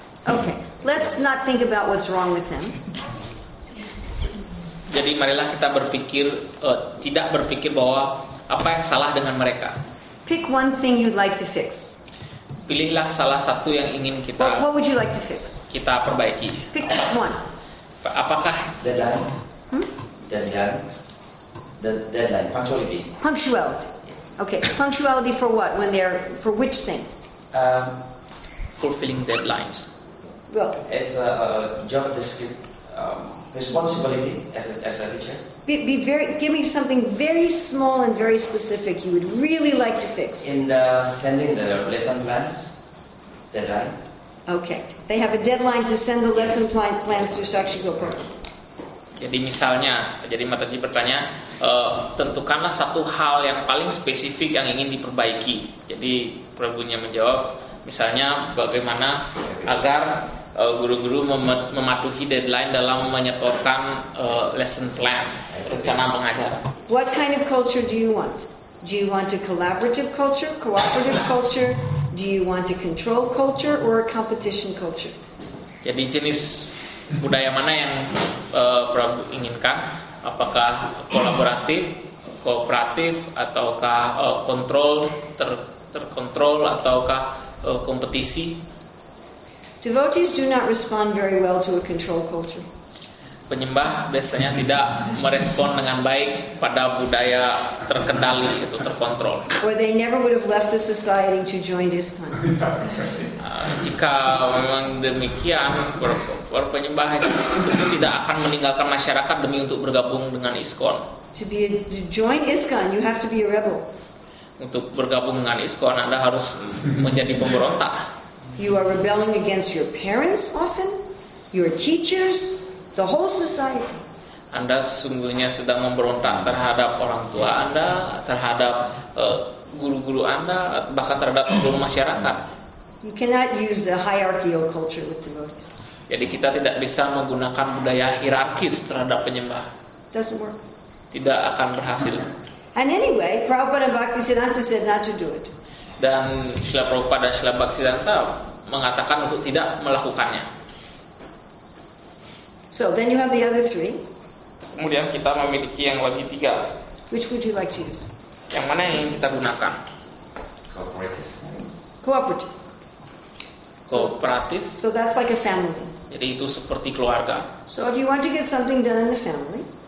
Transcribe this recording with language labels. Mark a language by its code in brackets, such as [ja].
[en] Okay, let's not think about what's wrong with him. [id] Jadi marilah kita berpikir tidak berpikir bahwa apa yang salah dengan mereka. [en] Pick one thing you'd like to fix. [id] Pilihlah salah satu yang ingin kita. [en] What would you like to fix? [id] Kita perbaiki. [en] Pick just one. [id] Apakah [en] deadline? Deadline. Punctuality. Punctuality. Okay. Punctuality for what? When they're for which thing? Fulfilling deadlines. Well, as a job description. Responsibility as a teacher. Be very. Give me something very small and very specific you would really like to fix. In the sending the lesson plans, deadline. Okay, they have a deadline to send the lesson plans to Sakshigopur. [id] Jadi misalnya, jadi Mataji bertanya, tentukanlah satu hal yang paling spesifik yang ingin diperbaiki. Jadi Prabhunya menjawab, misalnya bagaimana agar guru-guru mematuhi deadline dalam menyetorkan lesson plan, rencana pengajaran. [en] What kind of culture do you want? Do you want a collaborative culture, cooperative culture? Do you want a control culture or a competition culture? [id] Jadi jenis budaya mana yang Prabhu inginkan? Apakah kolaboratif, kooperatif, ataukah kontrol, terkontrol, ataukah kompetisi? [en] Devotees do not respond very well to a control culture. [id] Penyembah biasanya tidak merespon dengan baik pada budaya terkendali itu terkontrol. [en] Or they never would have left the society to join ISKCON. [id] Jika memang demikian, para penyembah itu tidak akan meninggalkan masyarakat demi untuk bergabung dengan ISKCON. [en] To join ISKCON, you have to be a rebel. [id] Untuk bergabung dengan ISKCON, Anda harus menjadi pemberontak. [en] You are rebelling against your parents often, your teachers, the whole society. [id] Anda sungguhnya sedang memberontak terhadap orang tua Anda, terhadap guru-guru Anda, bahkan terhadap seluruh masyarakat. [en] You cannot use a hierarchical culture with devotees. [id] Jadi kita tidak bisa menggunakan budaya hierarkis terhadap penyembah. [en] Doesn't work. [id] Tidak akan berhasil. [en] And anyway, Prabhupada Bhaktisiddhanta said not to do it. [id] Dan Srila Prabhupada dan Srila Bhaktisiddhanta mengatakan untuk tidak melakukannya. [en] So then you have the other three. [id] Kemudian kita memiliki yang lagi tiga. [en] Which would you like to use? [id] Yang mana yang kita gunakan? [en] Cooperative. Cooperative. So that's like a family. [id] Jadi itu seperti keluarga. [en] So if you want to get something done in the family.